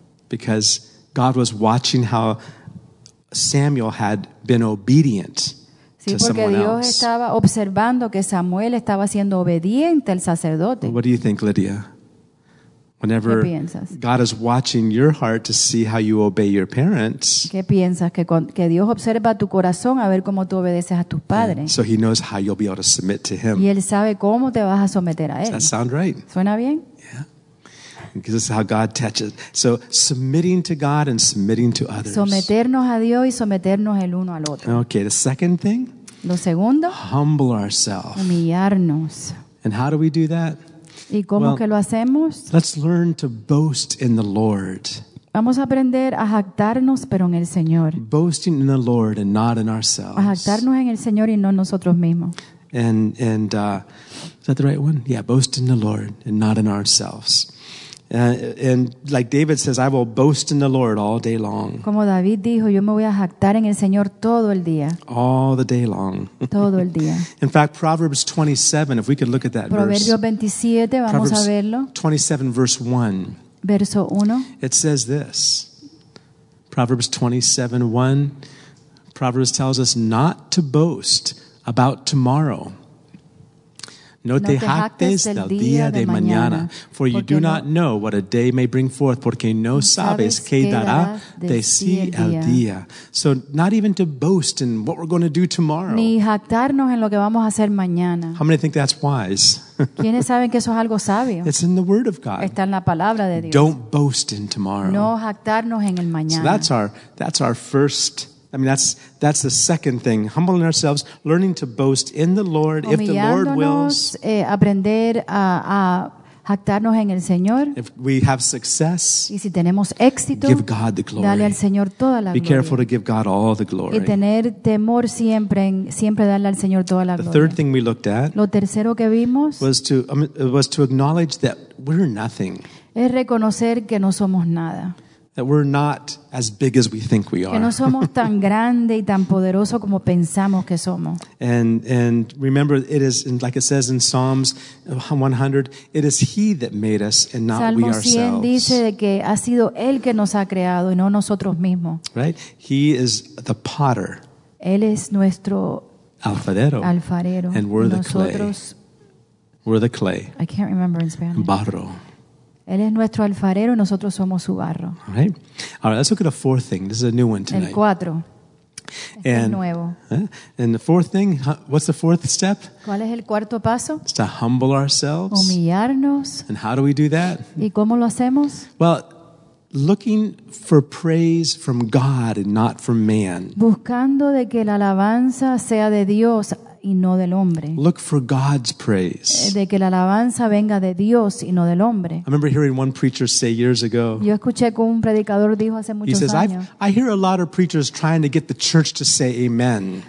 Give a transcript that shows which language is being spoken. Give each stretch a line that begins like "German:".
English: Because God was watching how Samuel had been obedient.
Spanish: Sí, porque Dios estaba observando que Samuel estaba siendo obediente al sacerdote.
English: What do you think, Lydia? Whenever God is watching your heart to see how you obey your parents.
Spanish: ¿Qué piensas que Dios observa tu corazón a ver cómo tú obedeces a tus padres?
English: So he knows how you'll be able to submit to him.
Spanish: Y él sabe cómo te vas a someter a él.
English: Does that sound right?
Spanish: ¿Suena bien?
English: Because this is how God touches. So submitting to God and submitting to others.
Spanish: Someternos a Dios y someternos el uno al otro.
English: Okay, the second thing.
Spanish: Lo segundo.
English: Humble ourselves.
Spanish: Humillarnos.
English: And how do we do that?
Spanish: ¿Y cómo que lo hacemos?
English: Let's learn to boast in the Lord.
Spanish: Vamos a aprender a jactarnos, pero en el Señor.
English: Boasting in the Lord and not in ourselves.
Spanish: A jactarnos en el Señor y no nosotros mismos.
English: And is that the right one? Yeah, boast in the Lord and not in ourselves. And like David says, I will boast in the Lord all day long.
Spanish: Como David dijo, yo me voy a jactar en el Señor todo el día.
English: All the day long.
Spanish: Todo el día.
English: In fact, Proverbs 27, if we could look at that
Spanish: Proverbios Proverbios 27, vamos
English: Proverbs
Spanish: a verlo.
English: 27, verse 1.
Spanish: Verso 1.
English: It says this. Proverbs 27, 1. Proverbs tells us not to boast about tomorrow.
Spanish: No te jactes del día de mañana,
English: for you do not know what a day may bring forth,
Spanish: porque no sabes qué dará de sí el día.
English: So not even to boast in what we're going to do tomorrow.
Spanish: Ni jactarnos en lo que vamos a hacer mañana.
English: How many think that's wise?
Spanish: ¿Quiénes saben que eso es algo sabio?
English: It's in the Word of God.
Spanish: Está en la palabra de Dios.
English: Don't boast in tomorrow.
Spanish: No jactarnos en el mañana.
English: So that's our first. I mean, that's the second thing. Humbling ourselves, learning to boast in the Lord, if the Lord wills.
Spanish: Aprender a jactarnos en el Señor.
English: If we have success,
Spanish: y si tenemos éxito,
English: give God the glory.
Spanish: Dale al Señor toda la
English: Be
Spanish: gloria.
English: Careful to give God all the glory.
Spanish: Y tener temor siempre darle al Señor toda la
English: the
Spanish: gloria.
English: The third thing we looked at
Spanish: lo tercero que vimos
English: was to acknowledge that we're nothing.
Spanish: Es reconocer que no somos nada.
English: That we're not as big as we think we are.
Spanish: Que no somos tan grande y tan poderoso como pensamos que somos.
English: And remember, it is like it says in Psalms 100, it is He that made us and not
Spanish: Salmo
English: we ourselves.
Spanish: Salmo 100 dice de que ha sido Él que nos ha creado y no nosotros mismos.
English: Right? He is the potter.
Spanish: Él es nuestro alfarero. Alfarero.
English: And we're the clay. We're the clay. I can't remember in Spanish.
Spanish: Barro. Él es nuestro alfarero y nosotros somos su barro.
English: All right. All right, let's look at a fourth thing. This is a new one tonight.
Spanish: El cuatro. Es nuevo.
English: And the fourth thing, what's the fourth step?
Spanish: ¿Cuál es el cuarto paso?
English: It's to humble ourselves.
Spanish: Humillarnos.
English: And how do we do that?
Spanish: ¿Y cómo lo hacemos?
English: Well, looking for praise from God and not from man.
Spanish: Buscando de que la alabanza sea de Dios y no del hombre.
English: Look for God's praise.
Spanish: De que la alabanza venga de Dios y no del hombre.
English: I remember hearing one preacher say years ago.
Spanish: Yo escuché que un predicador dijo hace muchos años.
English: He says, I hear a lot of preachers trying to get the church to say amen.